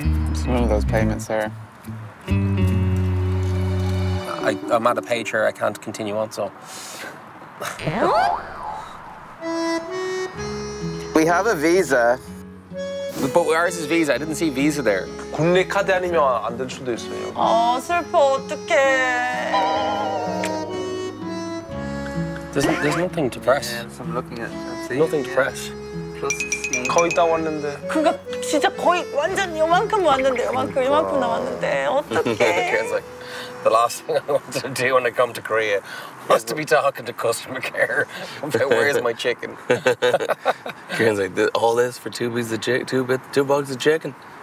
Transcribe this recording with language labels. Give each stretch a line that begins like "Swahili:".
English: It's one of those payments there. I'm at a page here, I can't continue on, so. We have a visa. But ours is visa, I didn't see visa there.
Korean: 국내 카드 아니면 안 될 수도 있어요. 아, 슬퍼, 어떡해.
English: There's nothing to press. Yeah, so I'm looking at. Nothing to press.
Korean: Plus, 거의 다 왔는데. 그러니까 진짜 거의 완전 요만큼 왔는데 요만큼 남았는데 어떡해.
English: The last thing I want to do when I come to Korea was to be talking to customer care about where is my chicken. Karen's like, all this for two bags of chicken.